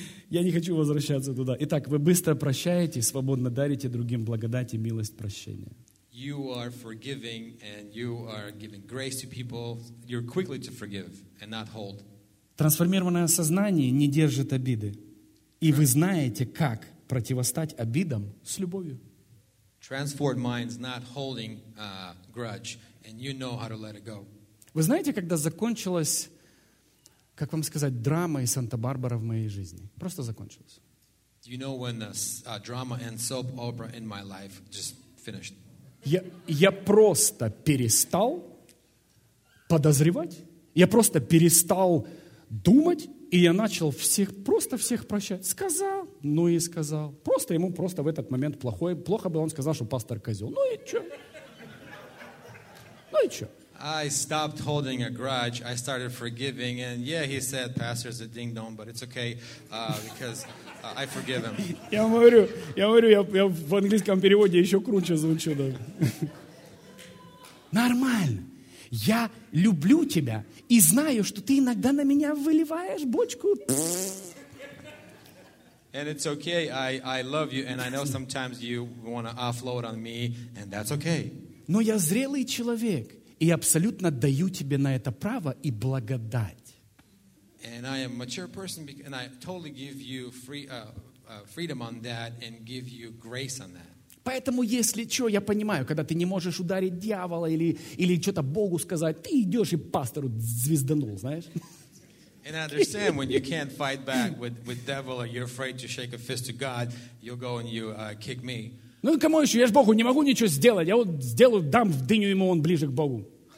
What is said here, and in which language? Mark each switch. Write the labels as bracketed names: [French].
[Russian] Я не хочу возвращаться туда. Итак, вы быстро прощаете, свободно дарите другим благодать и милость прощения. [English] You are forgiving and you are giving grace to people. You're quickly to forgive and not hold. [Russian] Трансформированное сознание не держит обиды. И вы знаете, как противостать обидам с любовью. [English] Transformed minds not holding a grudge, and you know how to let it go. [Russian] Вы знаете, когда закончилась, как вам сказать, драма из Санта-Барбара в моей жизни? Просто закончилась. [English] You know when the drama and soap opera in my life just finished? [Russian] Я просто перестал подозревать. Я просто перестал думать. И я начал всех, просто всех прощать. Сказал, ну и сказал. Просто ему просто в этот момент плохое. Плохо бы он сказал, что пастор козел. Ну и что? Ну и что? [English] I stopped holding a grudge. I started forgiving. And yeah, he said, pastor's a ding-dong, but it's okay, because I forgive him. [Russian] Я говорю, в английском переводе еще круче звучу. Нормально. Я люблю тебя и знаю, что ты иногда на меня выливаешь бочку. [English] And it's okay. I love you, and I know sometimes you want to offload on me, and that's okay. [Russian] Но я зрелый человек и абсолютно даю тебе на это право и благодать. [English] And I am a mature person, and I totally give you freedom on that and give you grace on that. [Russian] Поэтому, если что, я понимаю, когда ты не можешь ударить дьявола или что-то Богу сказать, ты идешь и пастору звезданул, знаешь? [English] And I understand when you can't fight back with devil or you're afraid to shake a fist to God, you'll go and you kick me. [Russian] Ну и кому еще? Я ж Богу не могу ничего сделать. Я вот сделаю, дам в дыню ему, он ближе к Богу.